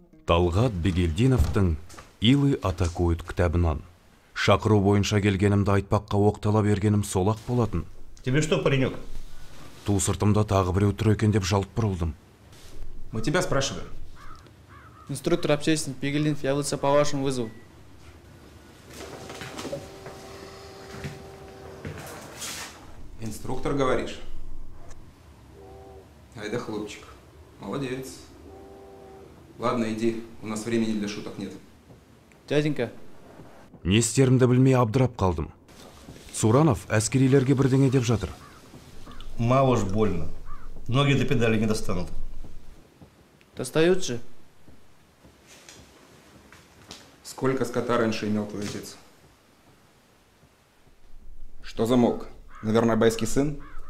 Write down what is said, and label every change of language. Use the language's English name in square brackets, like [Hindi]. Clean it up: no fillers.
[Kazakh] Талғат Бегелдиновтың «Илы атакует» кітабынан. Шақыру бойынша келгенімді айтпаққа оқтала бергенім солақ болатын. [Russian] Тебе что, паренек? [Kazakh] Ту сыртымда тағы біреу тұр екен деп жалт бұрылдым. [Russian] Мы тебя спрашиваем. Инструктор общественный Бегелдинов явился по вашему вызову. Инструктор, говоришь? Айда, хлопчик. Молодец. Ладно, иди. У нас времени для шуток нет. Дяденька. [Kazakh] Не істерімді білмей абдырап қалдым. Суранов әскерилерге бірдеңе деп жатыр. [Russian] Мало ж больно. Ноги до педали не достанут. Достают же. Сколько скота раньше имел твой отец? Что за молк? Наверное, байский сын?